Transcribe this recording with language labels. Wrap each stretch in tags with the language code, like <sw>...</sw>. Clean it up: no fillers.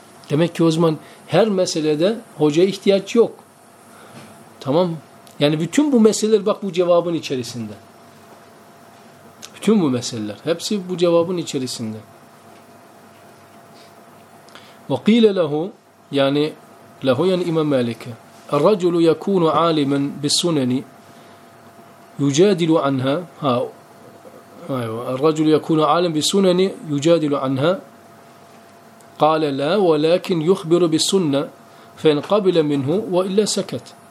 <tr>Demek ki o zaman her meselede hocaya ihtiyaç yok. Tamam. Yani bütün bu meseleler bak bu cevabın içerisinde. Bütün bu meseleler. Hepsi bu cevabın içerisinde.</tr> <ar>وَقِيلَ لَهُ yani لَهُ يَنْ اِمَا مَالِكَ الرَّجُلُ يَكُونُ عَالِمًا بِالسُّنَنِ يُجَادِلُ عَنْهَا ha. الرجل يكون عالم بالسنن يجادل عنها قال لا ولكن يخبر بالسنة فإن قبل منه وإلا سكت</ar>